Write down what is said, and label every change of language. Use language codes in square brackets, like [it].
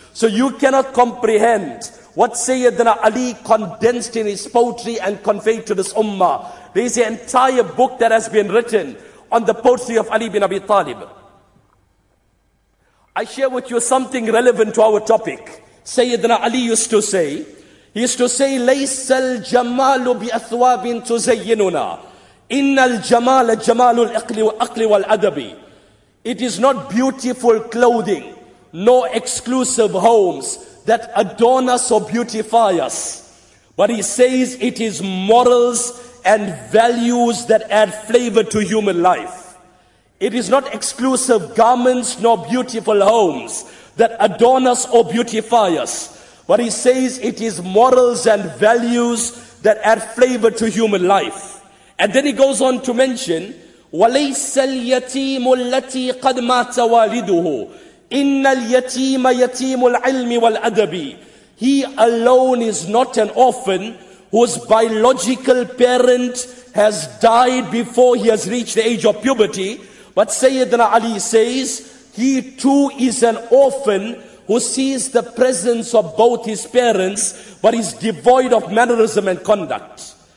[en] So you cannot comprehend what Sayyidina Ali condensed in his poetry and conveyed to this ummah. There is an entire book that has been written on the poetry of Ali bin Abi Talib. I share with you something relevant to our topic. Sayyidina Ali used to say, [ar] لَيْسَ الْجَمَالُ بِأَثْوَابٍ تُزَيِّنُنَا إِنَّ الْجَمَالَ جَمَالُ الْأَقْلِ وَالْأَدَبِ. [en] It is not beautiful clothing, no exclusive homes that adorn us or beautify us. But he says it is morals and values that add flavor to human life. It is not exclusive garments nor beautiful homes that adorn us or beautify us. But he says it is morals and values that add flavor to human life. And then he goes on to mention, [ar] وَلَيْسَ الْيَتِيمُ الَّتِي قَدْ مَاتَ وَالِدُهُ إِنَّ الْيَتِيمَ يَتِيمُ الْعِلْمِ وَالْأَدَبِ. [en] He alone is not an orphan whose biological parent has died before he has reached the age of puberty. But Sayyidina Ali says, he too is an orphan who sees the presence of both his parents, but is devoid of mannerism and conduct.